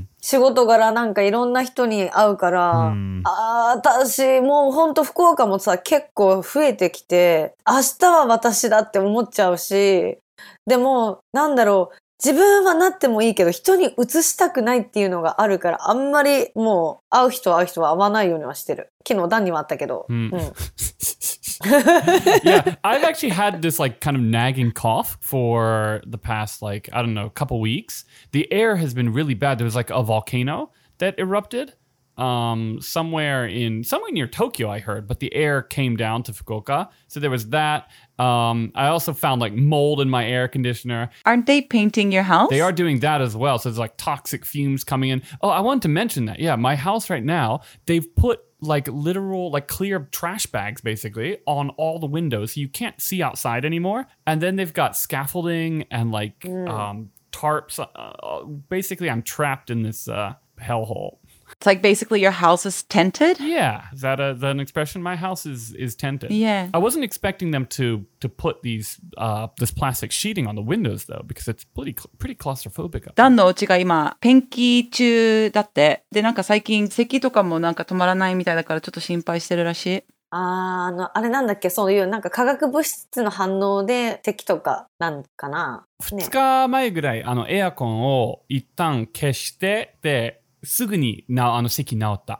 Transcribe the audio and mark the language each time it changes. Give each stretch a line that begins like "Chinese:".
Japanese: 仕事柄なんかいろんな人に会うから、私もう本当福岡もさ、結構増えてきて、明日は私だって思っちゃうし、でも、なんだろう、自分はなってもいいけど、人に移したくないっていうのがあるから、あんまりもう会う人は会う人は会わないようにはしてる。昨日ダンにも会ったけど。
English: Yeah, I've actually had this like kind of nagging cough for the past like, I don't know, couple weeks. The air has been really bad. There was like a volcano that erupted somewhere near Tokyo, I heard, but the air came down to Fukuoka. So there was that. I also found like mold in my air conditioner. Aren't they painting your house? They are doing that as well. So there's like toxic fumes coming in. Oh, I wanted to mention that. Yeah, my house right now, they've put... like literal like clear trash bags basically on all the windows so you can't see outside anymore and then they've got scaffolding and like tarps basically I'm trapped in this hellhole it's like basically your house is tented yeah is that, is that an expression my house is tented yeah I wasn't expecting them to put these this plastic sheeting on the windows though because it's pretty claustrophobic
Japanese: ダンのお家が今ペンキ中だってでなんか最近咳とかもなんか止まらないみたいだからちょっと心配してるらしいあれなんだっけそういうなんか化学物質の反応で咳とかなんかな、ね、2日前ぐらいあのエアコンを一旦消してですぐにあの席直った。